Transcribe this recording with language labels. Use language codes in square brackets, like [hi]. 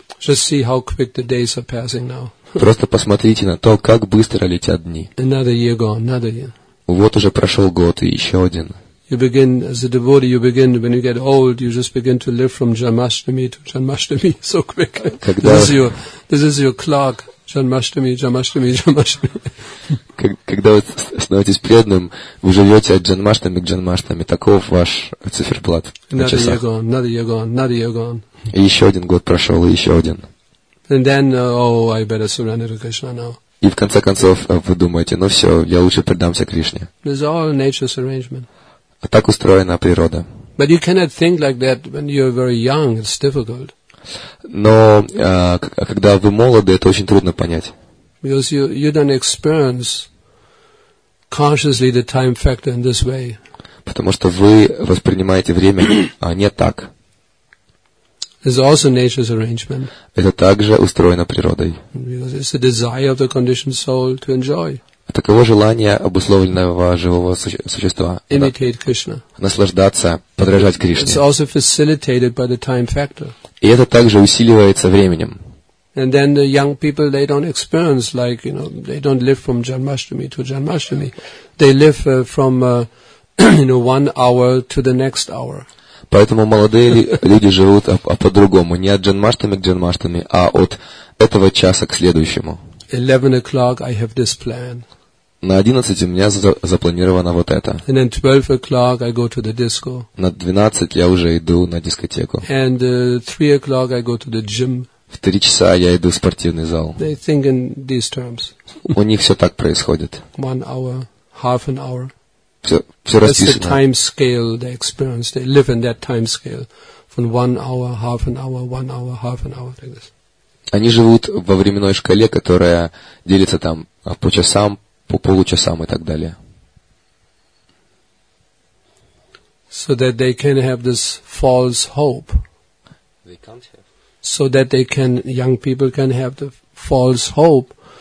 [en] Just see how quick the days are passing now. [ru] Просто посмотрите на то, как быстро летят дни. [en] Another year gone, another year. [ru] Вот уже прошел год и еще один. [en] You begin as a devotee. You begin when you get old. You just begin to live from Janmashtami to Janmashtami so quick. This is your clock. Janmashtami, Janmashtami, Janmashtami. [ru] Когда вы становитесь преданным, вы живете от Janmashtami к Janmashtami. Таков ваш циферблат на часах. [en] Another year gone. [ru] И еще один год прошел, и еще один. [en] And then, oh, I better surrender to Krishna now. [ru] И в конце концов вы думаете: ну все, я лучше предамся Кришне. [en] This is all nature's arrangement. [ru] А так устроена природа. [en] But you cannot think like that when you are very young. It's difficult. [ru] Но когда вы молоды, это очень трудно понять. [en] Because you don't experience consciously the time factor in this way. [ru] Потому что вы воспринимаете время не так. [en] It's also nature's arrangement. [ru] Это также устроено природой. [en] Because it's the desire of the conditioned soul to enjoy. [ru] Таково желание обусловленного живого существа. [en] Imitate Krishna. [ru] Наслаждаться, подражать Кришне. [en] It's also facilitated by the time factor. [ru] И это также усиливается временем. [en] And then the young people, they don't experience like, you know, they don't live from Janmashtami to Janmashtami. They live from, you know, 1 hour to the next hour. [ru] Поэтому молодые люди живут по-другому. Не от Janmashtami к Janmashtami, а от этого часа к следующему. [en] 11 o'clock, I have this plan. [ru] На 11 у меня запланировано вот это. [en] And then 12 o'clock, I go to the disco. [ru] На 12 я уже иду на дискотеку. [en] And 3 o'clock, I go to the gym. [ru] В 3 часа я иду в спортивный зал. [en] They think in these terms. [ru] У них все так происходит. [en] 1 hour, half an hour. [ru] Все расписано. [en] That's the time scale they experience. They live in that time scale, from 1 hour, half an hour, 1 hour, half an hour, like this. [ru] Они живут во временной шкале, которая делится там по часам, по получасам и так далее. [en] So that they can have this false hope. They can't have. so that they can, young people can have the false hope.